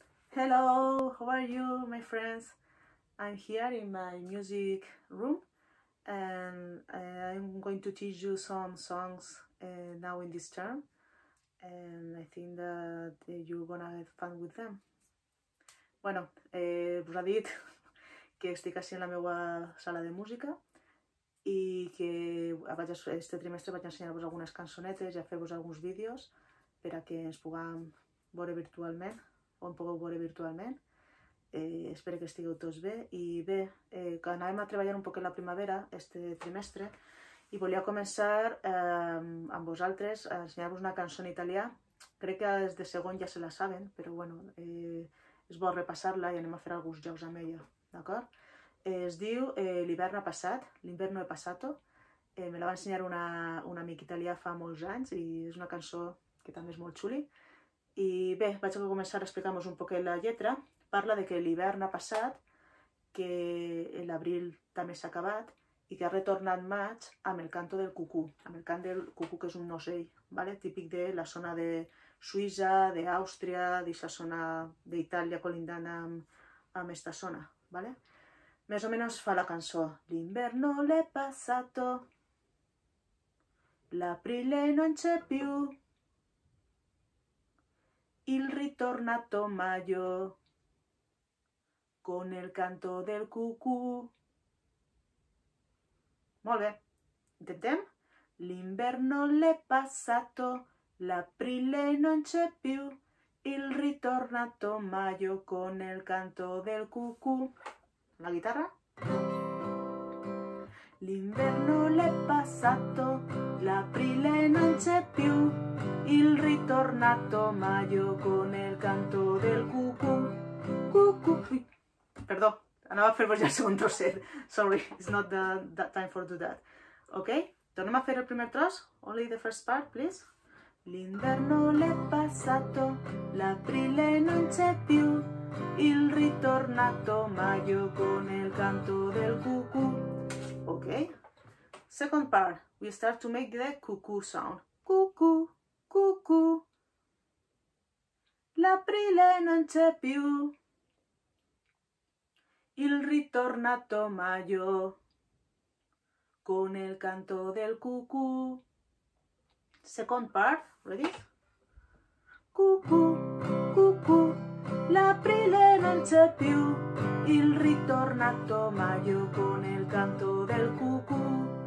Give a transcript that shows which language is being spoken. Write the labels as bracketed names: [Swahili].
[English] Hello, how are you, my friends? I'm here in my music room and I'm going to teach you some songs now in this term, and I think that you're gonna have fun with them. [Spanish] Bueno, os he dicho que estoy casi en la nueva sala de música y que este trimestre voy a enseñaros algunas canciones y haceros algunos vídeos para que os puedan ver virtualmente. Un poco por virtualmente. [Catalan] Espero que estigueu tots bé. I bé, anàvem a treballar un poc en la primavera, este trimestre, i volia començar amb vosaltres a ensenyar-vos una cançó en italià. Crec que des de segon ja se la saben, però bueno, és bo repassar-la i anem a fer alguns jocs amb ella, d'acord? Es diu L'hivern ha passat, L'inverno è passato. Me la va ensenyar un amic italià fa molts anys i és una cançó que també és molt xuli. I bé, vaig a començar a explicar-vos un poquet la lletra. Parla de que l'hivern ha passat, que l'abril també s'ha acabat i que ha retornat maig amb el canto del cucú, amb el cant del cucú, que és un ocell, ¿vale? Típic de la zona de Suïssa, d'Àustria, d'aquesta zona d'Itàlia colindant amb aquesta zona. ¿Vale? Més o menys fa la cançó. [Italian] L'inverno l'è passato, l'abril non c'è più, il ritornato maggio con el canto del cucù. [Catalan] Molt bé, intentem. [Italian] L'inverno l'è passato, l'aprile non c'è più, il ritornato maggio con el canto del cucù. La guitarra. L'inverno l'è passato, l'aprile non c'è più, il ritornato maggio con el canto del cucù. [Catalan] Cucù. Perdó, anava a fer-vos ja el segon trosset. [English] Sorry, it's not the time for do that. Ok? [Catalan] Tornem a fer el primer tros. [English] Only the first part, please. [Italian] L'inverno l'è passato, l'aprile non c'è più, il ritornato maggio con el canto del cucù. [English] Ok? Second part, we start to make the cucù sound. Cucù. [Italian] Cucù, l'aprile non c'è più, il ritornato maggio con el canto del cucù. [English] Second part, ready? [Italian] Cucù, cucù, l'aprile non c'è più, il ritornato maggio con el canto del cucù.